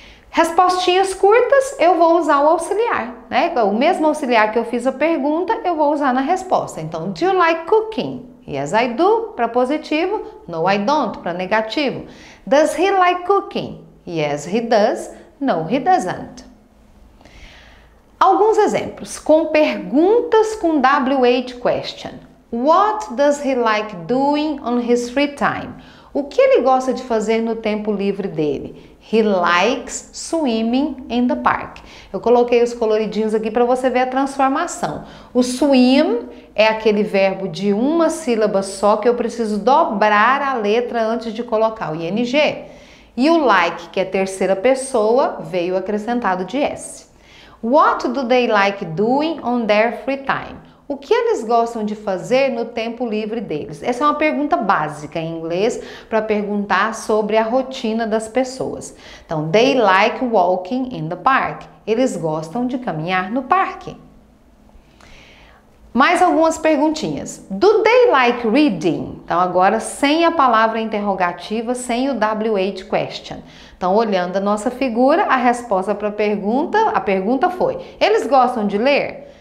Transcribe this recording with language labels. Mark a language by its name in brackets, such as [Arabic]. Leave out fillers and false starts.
[Portuguese] Respostinhas curtas, eu vou usar o auxiliar, né? O mesmo auxiliar que eu fiz a pergunta, eu vou usar na resposta. [English] Então, do you like cooking? Yes, I do, [Portuguese] para positivo. [English] No, I don't, [Portuguese] para negativo. [English] Does he like cooking? Yes, he does. No, he doesn't. [Portuguese] Alguns exemplos com perguntas com WH question. [English] What does he like doing on his free time? [Portuguese] O que ele gosta de fazer no tempo livre dele? [English] He likes swimming in the park. [Portuguese] Eu coloquei os coloridinhos aqui para você ver a transformação. O swim é aquele verbo de uma sílaba só que eu preciso dobrar a letra antes de colocar o ing. E o like, que é terceira pessoa, veio acrescentado de S. [English] What do they like doing on their free time? [Portuguese] O que eles gostam de fazer no tempo livre deles? Essa é uma pergunta básica em inglês para perguntar sobre a rotina das pessoas. [English] Então, they like walking in the park. [Portuguese] Eles gostam de caminhar no parque. Mais algumas perguntinhas. [English] Do they like reading? [Portuguese] Então, agora sem a palavra interrogativa, sem o WH question. Então, olhando a nossa figura, a resposta para a pergunta foi: eles gostam de ler?